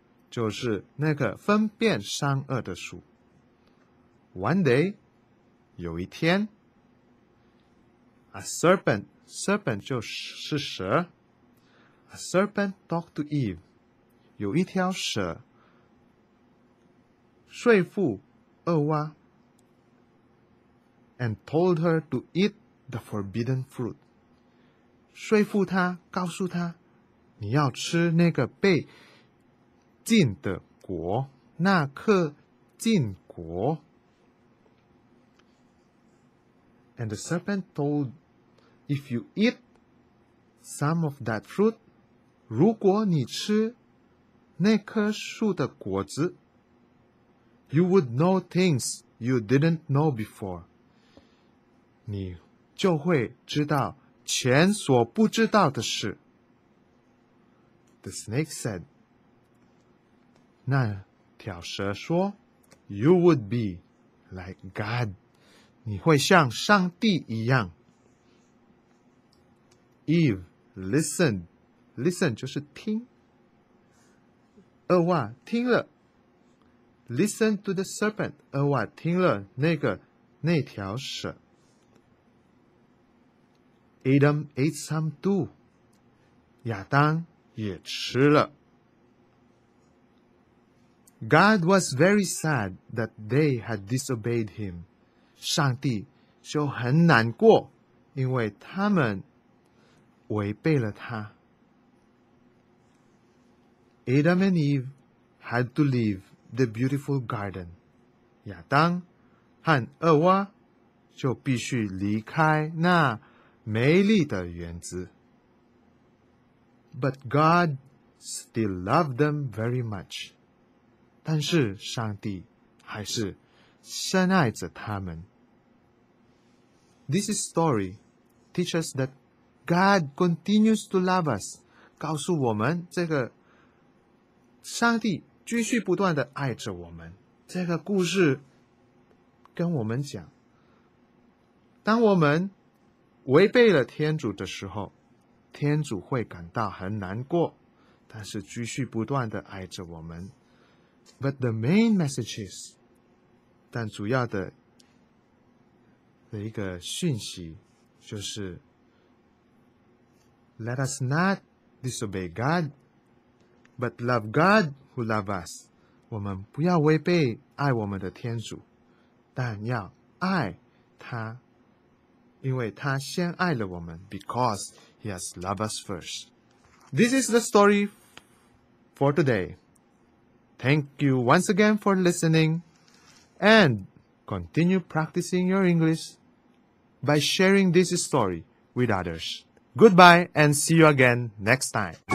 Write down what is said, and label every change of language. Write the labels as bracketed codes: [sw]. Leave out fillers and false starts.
[zh] 就是那个分辨善恶的树。 [en] One day, [zh] 有一天 , [en] a serpent [zh] 就是蛇。 [en] A serpent talked to Eve, [zh] 有一条蛇说服厄娃 [en] and told her to eat the forbidden fruit. [zh] 说服她告诉她你要吃那个被禁的果那颗禁果。 [en] And the serpent told, if you eat some of that fruit, [zh] 如果你吃那棵树的果子 [en] you would know things you didn't know before. [zh] 你就会知道前所不知道的事。 [en] The snake said, [zh] 那条蛇说 [en] you would be like God. [zh] 你会像上帝一样。 [en] Eve listened [zh] 就是听。厄娃听了。 [en] Listen to the serpent, [zh] 厄娃听了那条蛇。 [en] Adam ate some too, [zh] 亚当也吃了。 [en] God was very sad that they had disobeyed him. [zh] 上帝就很难过，因为他们违背了他。 [en] Adam and Eve had to leave the beautiful garden. [zh] 亚当和厄娃就必须离开那美丽的园子。 [en] But God still loved them very much. [zh] 但是上帝还是深爱着他们。 [en] This story teaches that God continues to love us. [zh] 告诉我们这个上帝继续不断地爱着我们。这个故事跟我们讲，当我们违背了天主的时候，天主会感到很难过，但是继续不断地爱着我们。 [en] But the main message is, [zh] 但主要的的一个讯息就是 [en] Let us not disobey God, but love God who loves us. [zh] 我们不要违背爱我们的天主，但要爱他，因为他先爱了我们， [en] because he has loved us first. This is the story for today. Thank you once again for listening and continue practicing your English. By sharing this story with others. Goodbye and see you again next time.